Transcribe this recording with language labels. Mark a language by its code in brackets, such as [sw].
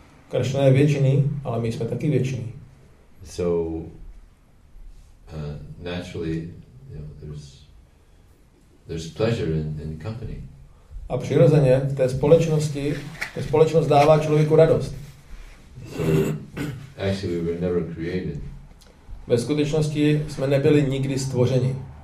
[cs] Krishna je věčný, ale my jsme taky věční. [en] So naturally, you know, there's pleasure in company. [cs] A přirozeně v té společnosti, ta společnost dává člověku radost. [en] Actually, we were never created. [cs] Ve skutečnosti jsme nebyli nikdy stvořeni.